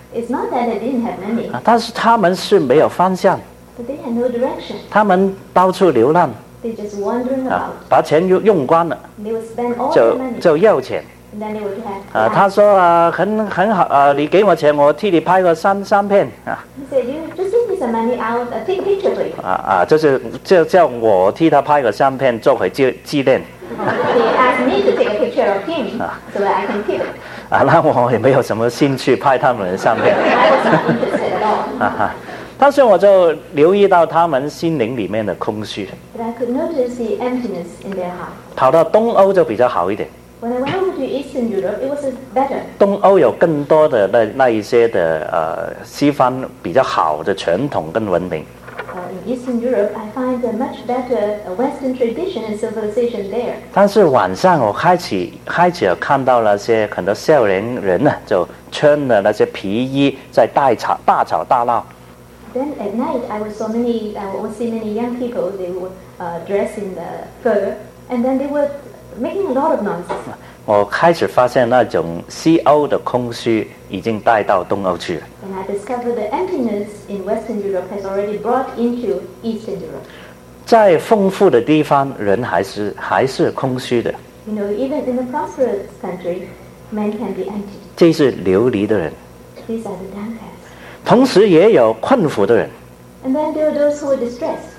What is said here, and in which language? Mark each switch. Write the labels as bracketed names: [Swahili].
[English] It's not that they didn't have money. [Chinese] 但是他们是没有方向。 [English] But they had no direction. [Chinese] 他们到处流浪。 [English] They just wandering about. [Chinese] 把钱用光了。 [English] They would spend all their money. [Chinese] 就要钱。 [English] And then they would have. [Chinese] 他说很好你给我钱，我替你拍个三片。 [English] He said, you just give me some money, I'll take picture for you. [Chinese] 就是就叫我替他拍个三片做回纪念。 [English] He asked me to take a picture of him so that I can keep it. [Chinese] 那我也没有什么兴趣拍他们的相片。 [English] I was not interested at all. [Chinese] 但是我就留意到他们心灵里面的空虚。 [English] But I could notice the emptiness in their heart. [Chinese] 跑到东欧就比较好一点。 [English] When I went over to Eastern Europe, it was better. [Chinese] 东欧有更多的那一些的西方比较好的传统跟文明。 [English] In Eastern Europe, I find a much better Western tradition and civilization there. [Chinese] 但是晚上我开始看到那些很多少年人呢，就穿了那些皮衣在大吵大闹。 [English] Then at night, I would see many young people. They were dressed in the fur, and then they were making a lot of noise. [Chinese] 我开始发现那种西欧的空虚已经带到东欧去了。 [English] And I discovered the emptiness in Western Europe has already brought into Eastern Europe. [Chinese] 在丰富的地方，人还是空虚的。 [English] You know, even in a prosperous country, men can be empty. [Chinese] 这是流离的人。 [English] These are the downcast. [Chinese] 同时也有困苦的人。 [English] And then there are those who are distressed.